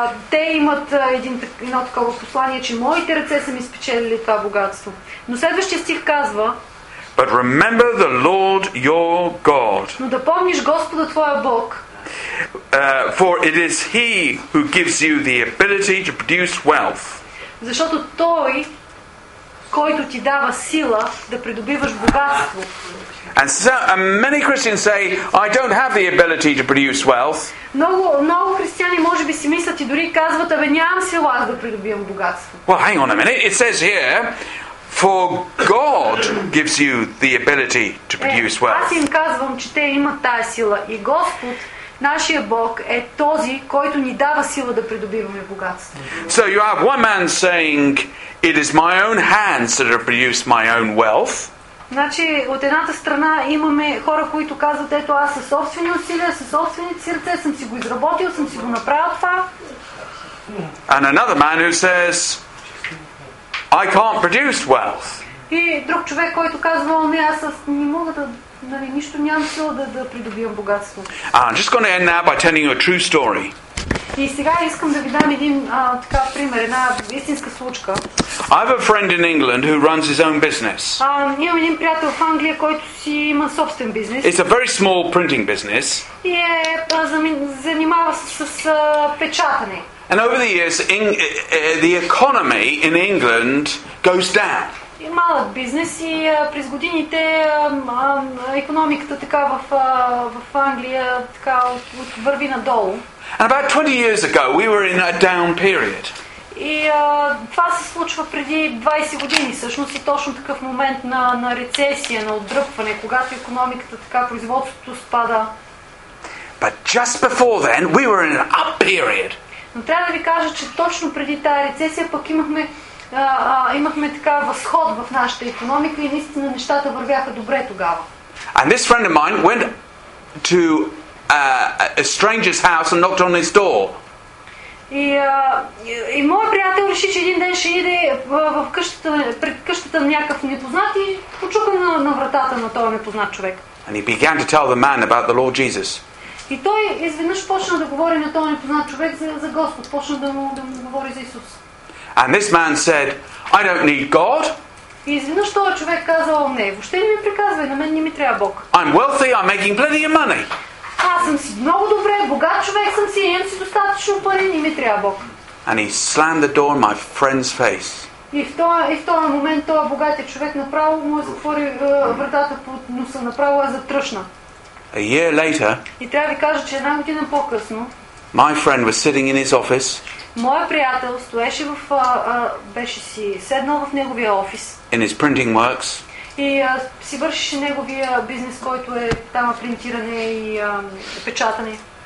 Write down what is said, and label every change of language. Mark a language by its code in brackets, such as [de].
[bg] Те имат едно такова послание, че моите ръце са ми спечелили това богатство. Но следващия стих казва: [en] But remember the Lord your God. [bg] Но да помниш Господа твоя Бог. [en] For it is He who gives you the ability to produce wealth. [bg] Защото Той, който ти дава сила да придобиваш богатство. [en] And so and many Christians say, I don't have the ability to produce wealth. [bg] Много християни може би си мислят и дори казват, абе, нямам сила да придобивам богатство. [en] Well, hang on a minute. It says here, for God gives you the ability to produce wealth. [bg] Аз им казвам, че те имат тая сила. И Господ, нашия Бог, е този, който ни дава сила да придобиваме богатство. [en] So you have one man saying, it is my own hands that have produced my own wealth. [bg] Значи, от едната страна имаме хора, които казват, ето аз със собствени усилия, със собствени сърце съм си го изработил, съм си го направил това. [en] And another man who says, I can't produce wealth. [bg] И друг човек, който казва, не, аз не мога да, нали, нищо нямам сила да придобивам богатство. [en] I'm just going to end now by telling you a true story. [bg] И сега искам да ви дам един така пример, една истинска случка. [en] I have a friend in England who runs his own business. [bg] Имам един приятел в Англия, който си има собствен бизнес. [en] It's a very small printing business. [bg] И занимава се с печатане. [en] And over the years, the economy in England goes down. [bg] малък бизнес и през годините икономиката така в Англия така върви надолу. [en] And about 20 years ago we were in a down period. [bg] И това се случва преди 20 години, всъщност и точно такъв момент на рецесия, на отдръпване, когато икономиката така производството спада. [en] But just before then we were in an up period. [bg] Но трябва да ви кажа, че точно преди тая рецесия пък имахме така възход в нашата икономика и наистина нещата вървяха добре тогава. [en] And this friend of mine went to a stranger's house and knocked on his door. [bg] И мой приятел реши, че един ден ще иде пред къщата на някакъв непознат и почука на вратата на този непознат човек. [en] And he began to tell the man about the Lord Jesus. [bg] И той изведнъж почна да говори на този непознат човек за Господ, почна да му говори за Исус. [en] And this man said, I don't need God. [bg] И изведнъж този човек казал, не, въобще не ми приказвай, на мен не ми трябва Бог. [en] I'm wealthy, I'm making plenty of money. [bg] Аз съм си много добре, богат човек съм си, имам си достатъчно пари, не ми трябва Бог. [en] And he slammed the door in my friend's face. [bg] И в този момент този богатия човек направо му е затвори вратата под носа, направо е затръшна. [en] A year later, [bg] и трябва да ви кажа, че една година по-късно, [en] my friend was sitting in his office. [bg] Моя приятел стоеше в беше си седнал в неговия офис. [en] In his printing works. [bg] И си вършеше неговия бизнес, който е там принтиране и печатане.